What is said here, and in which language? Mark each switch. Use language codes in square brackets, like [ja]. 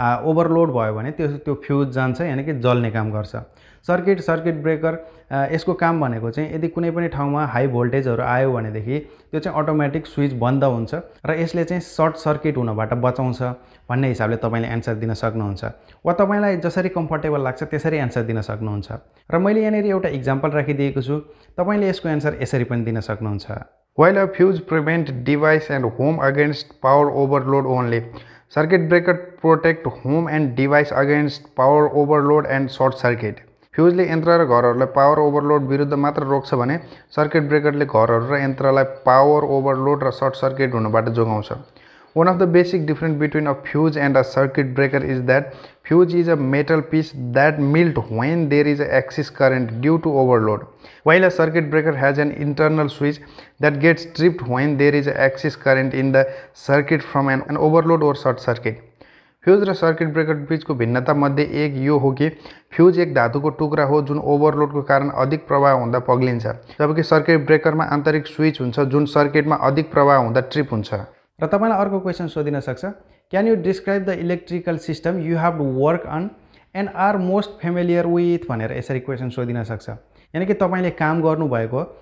[ne] Overload भयो भने त्यो फ्यूज जान्छ यानी कि जल्ने काम गर्छ सर्किट सर्किट ब्रेकर यसको काम भनेको चाहिँ यदि कुनै पनि ठाउँमा हाई भोल्टेजहरु आयो भने देखि त्यो चाहिँ अटोमेटिक स्विच बन्द हुन्छ र यसले चाहिँ सर्ट सर्किट हुनबाट बचाउँछ भन्ने हिसाबले तपाईले आन्सर दिन सक्नुहुन्छ वा तपाईलाई जसरी कम्फर्टेबल लाग्छ त्यसरी आन्सर दिन सक्नुहुन्छ र मैले यहाँ नेरि एउटा एक्जामपल राखिदिएको छु तपाईले यसको आन्सर यसरी पनि दिन सक्नुहुन्छ [en] While a fuse prevent device and home against power overload only, circuit breaker protect home and device against power overload and short circuit. [ne] फ्युजले यन्त्र र घरहरूलाई पावर ओभरलोड विरुद्ध मात्र रोक्छ भने सर्किट ब्रेकरले घरहरू र यन्त्रलाई पावर ओभरलोड र सर्ट सर्किट हुनबाट जोगाउँछ [en] One of the basic difference between a fuse and a circuit breaker is that fuse is a metal piece that melt when there is excess current due to overload, while a circuit breaker has an internal switch that gets tripped when there is excess current in the circuit from an overload or short circuit. [ne] Fuse र circuit breaker बीचको भिन्नता मध्ये एक यो हो कि fuse एक धातुको टुक्रा हो जुन ओभरलोडको कारण अधिक प्रवाह हुँदा पग्लिन्छ जबकि सर्किट ब्रेकरमा आन्तरिक स्विच हुन्छ जुन सर्किटमा अधिक प्रवाह हुँदा ट्रिप हुन्छ र तपाईलाई अर्को क्वेशन सोधिन सक्छ [en] can you describe the electrical system you have work on and are most familiar with [ne] भनेर यसरी क्वेशन सोधिन सक्छ यानि कि तपाईले काम गर्नु भएको